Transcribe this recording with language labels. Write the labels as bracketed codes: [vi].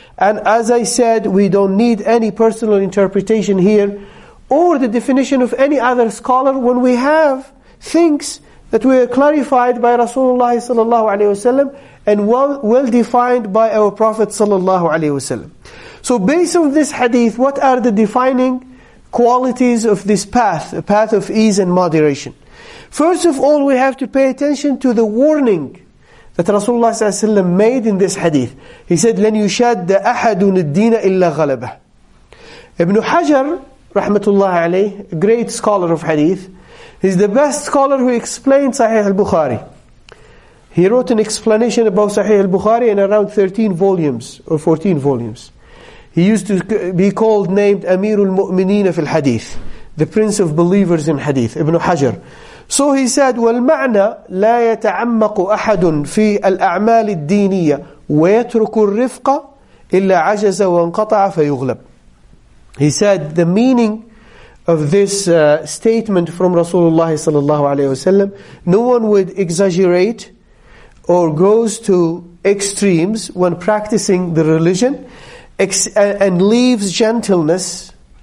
[en] And as I said, we don't need any personal interpretation here, or the definition of any other scholar, when we have things that were clarified by Rasulullah sallallahu alaihi wasallam and well defined by our Prophet sallallahu alaihi wasallam. So based on this hadith, what are the defining qualities of this path, a path of ease and moderation? First of all, we have to pay attention to the warning that Rasulullah sallallahu alaihi wasallam made in this hadith. He said, [ar] لَنْ يُشَدَّ أَحَدٌ الدِّينَ إِلَّا غَلَبَهُ. [en] Ibn Hajar, rahmatullah alayh, a great scholar of hadith, he's the best scholar who explained Sahih al-Bukhari. He wrote an explanation about Sahih al-Bukhari in around 13 volumes or 14 volumes. He used to be called named Amir al-Mu'mineen fi al-Hadith, the Prince of Believers in Hadith, Ibn Hajar. So he said, [ar] وَالْمَعْنَى لَا يَتَعَمَّقُ أَحَدٌ فِي الْأَعْمَالِ الدِّينِيَّةِ وَيَتْرُكُ الرِّفْقَ إِلَّا عَجَزَ وَانْقَطَعَ فَيُغْلَبُ. [en] He said the meaning of this statement from Rasulullah sallallahu alaihi wasallam, no one would exaggerate or goes to extremes when practicing the religion and leaves gentleness.